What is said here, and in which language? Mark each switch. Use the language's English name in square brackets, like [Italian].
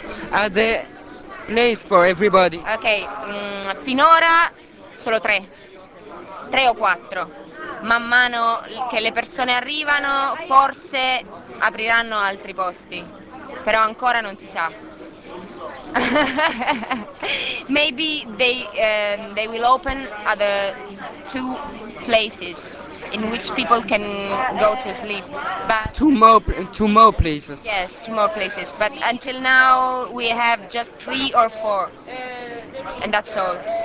[English] Are there places for everybody? [Italian] Finora solo tre o quattro. Man mano che le persone arrivano, forse apriranno altri posti, però ancora non si sa. [English] Maybe they will open other two places in which people can go to sleep. But Two more places. yes, two more places. But until now we have just three or four, and that's all.